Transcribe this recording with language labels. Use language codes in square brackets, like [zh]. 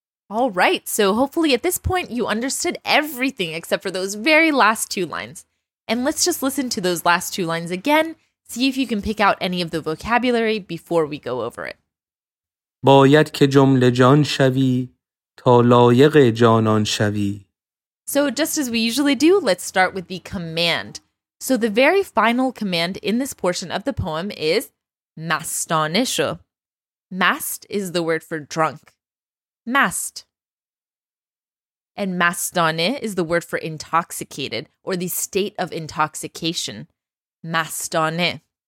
[en] All right, so hopefully at this point you understood everything except for those very last two lines. And let's just listen to those last two lines again, see if you can pick out any of the vocabulary before we go over it. [fa] باید که جمله جان شوی تا لایق جانان شوی. [en] So just as we usually do, let's start with the command. So the very final command in this portion of the poem is [fa] مستانه شو. [en] Mast is the word for drunk. Mast. And mastane is the word for intoxicated or the state of intoxication. Mastane.